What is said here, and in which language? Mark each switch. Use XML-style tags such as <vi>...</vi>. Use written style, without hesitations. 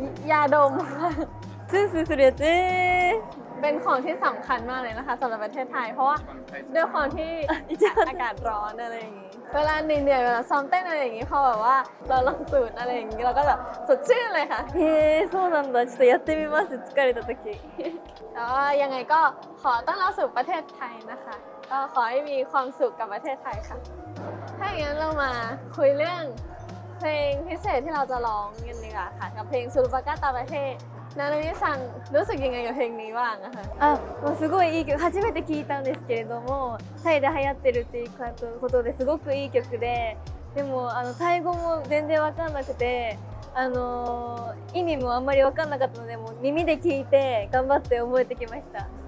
<th>ยาดม ซื้อสูตรเด็ด เป็นของที่สำคัญมากเลยนะคะสำหรับประเทศไทยเพราะว่าด้วยความที่อากาศร้อนอะไรอย่างนี้เวลาเหนื่อยเวลาซ้อมเต้นอะไรอย่างนี้พอแบบว่าเราลองสูตรอะไรอย่างนี้เราก็แบบสดชื่นเลยค่ะ</th> <ja>เฮ้そうなんだちょっとやってみます疲れた時</ja> <th>แล้วยังไงก็ขอต้อนรับสู่ประเทศไทยนะคะก็ขอให้มีความสุขกับประเทศไทยค่ะถ้าอย่างนั้นเรามาคุยเรื่องเพลงพิเศษที่เราจะร้องกันดีกว่าค่ะกับเพลงซูรุบากาตาประเทศนานามิซังรู้สึกยังไงกับเพลงนี้บ้างคะ</th> <ja>มันすごいいい曲初めて聞いたんですけれどもタイで流行ってるっていうことですごくいい曲ででもタイ語も全然わかんなくて意味もあんまりわかんなかったのでもう耳で聞いて頑張って覚えてきました</ja>